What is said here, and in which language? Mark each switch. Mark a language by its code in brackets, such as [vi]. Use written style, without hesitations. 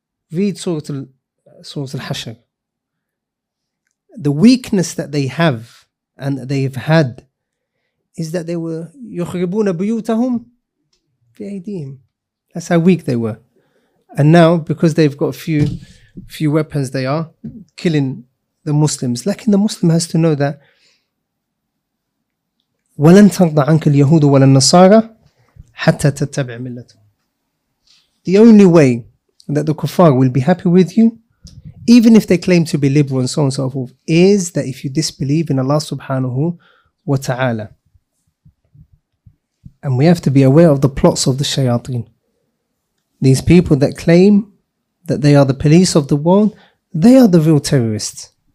[en] Read Surah Al-Hashr. The weakness that they have and that they've had is that they were yukhribuna buyutahum fi aydihim. That's how weak they were. And now, because they've got a few weapons, they are killing the Muslims. [ar] Lakin the Muslim has to know that وَلَن تَرْضَ عَنْكَ الْيَهُودُ وَلَا النَّصَارَى حَتَّى تَتَّبِعْ مِلَّتُ. [en] The only way that the kuffar will be happy with you, even if they claim to be liberal and so on and so forth, is that if you disbelieve in Allah subhanahu wa ta'ala. And we have to be aware of the plots of the shayateen. These people that claim that they are the police of the world, they are the real terrorists.